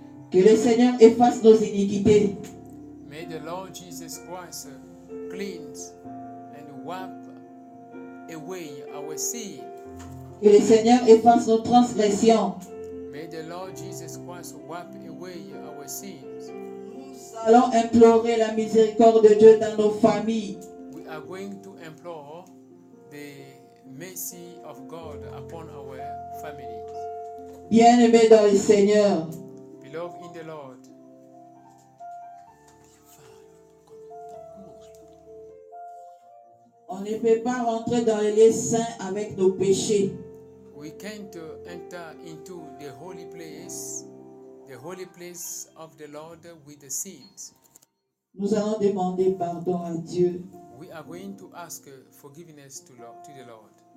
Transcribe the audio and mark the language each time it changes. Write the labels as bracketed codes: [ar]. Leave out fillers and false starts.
[fr] Que le Seigneur efface nos iniquités. [en] May the Lord Jesus Christ cleanse and wipe away our sin. [fr] Que le Seigneur efface nos transgressions. [en] May the Lord Jesus Christ wipe away our sins. [fr] Nous allons implorer la miséricorde de Dieu dans nos familles. [en] We are going to implore the mercy of God upon our family. [fr] Bien-aimé dans le Seigneur. [en] Beloved in the Lord. [fr] On ne peut pas rentrer dans les lieux saints avec nos péchés. [en] We can't enter into the holy place of the Lord with the sins. [fr] Nous allons demander pardon à Dieu. [en] We are going to ask forgiveness to the Lord.